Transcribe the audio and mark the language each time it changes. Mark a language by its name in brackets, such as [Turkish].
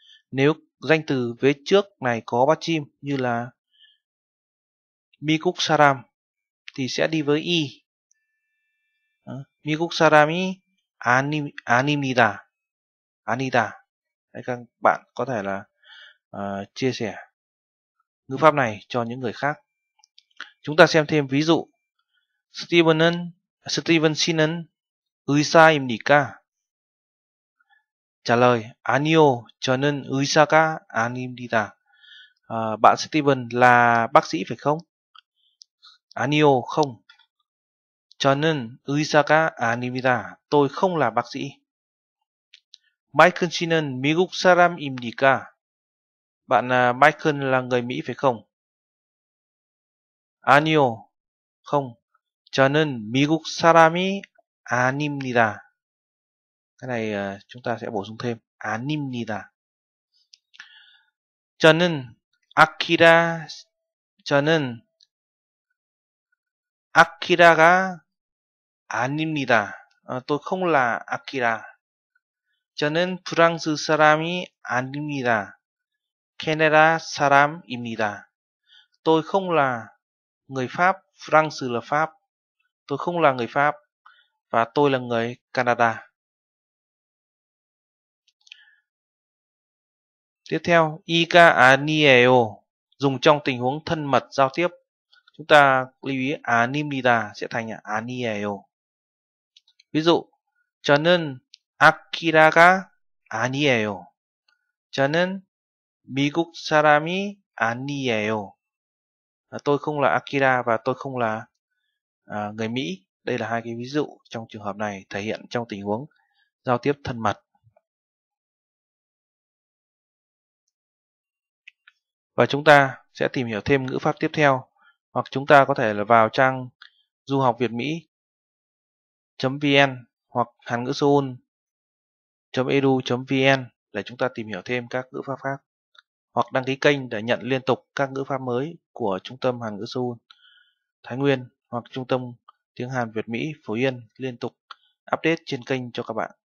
[Vietnamese] Nếu danh từ vế trước này có bát chim như là Mikuk Saram thì sẽ đi với i. [Korean] Mikuk Sarami animida. Anida. [Vietnamese] Đấy, các bạn có thể là chia sẻ ngữ pháp này cho những người khác. Chúng ta xem thêm ví dụ. [Korean] Steven씨는 의사입니까? 자, 라이 아니요, 저는 의사가 아닙니다. [Vietnamese] Bạn Steven là bác sĩ phải không? [Korean] 아니요, không. 저는 의사가 아닙니다. [Vietnamese] Tôi không là bác sĩ. [Korean] Michael씨는 미국 사람입니까? [Vietnamese] Bạn Michael là người Mỹ phải không? [Korean] 아니요, không. 저는 미국 사람이 아닙니다. [Vietnamese] Cái này chúng ta sẽ bổ sung thêm 아닙니다. [Korean] 저는 아키라 저는 아키라가 아닙니다. [Vietnamese] Tôi không là Akira. [Korean] 저는 프랑스 사람이 아닙니다. 캐나다 사람입니다. [Vietnamese] Tôi không là người Pháp, France là Pháp. Tôi không là người Pháp và tôi là người Canada. Tiếp theo, ika anieo dùng trong tình huống thân mật giao tiếp. Chúng ta lưu ý animida sẽ thành anieo. Ví dụ, [Korean] 저는 아키라가 아니에요. 저는 미국 사람이 아니에요. [Vietnamese] Tôi không là Akira và tôi không là người Mỹ. Đây là hai cái ví dụ trong trường hợp này thể hiện trong tình huống giao tiếp thân mật. Và chúng ta sẽ tìm hiểu thêm ngữ pháp tiếp theo, hoặc chúng ta có thể là vào trang du học Việt Mỹ.vn hoặc Hàn ngữ Seoul.edu.vn để chúng ta tìm hiểu thêm các ngữ pháp khác, hoặc đăng ký kênh để nhận liên tục các ngữ pháp mới của Trung tâm Hàn ngữ Seoul Thái Nguyên hoặc Trung tâm Tiếng Hàn Việt Mỹ Phú Yên liên tục update trên kênh cho các bạn.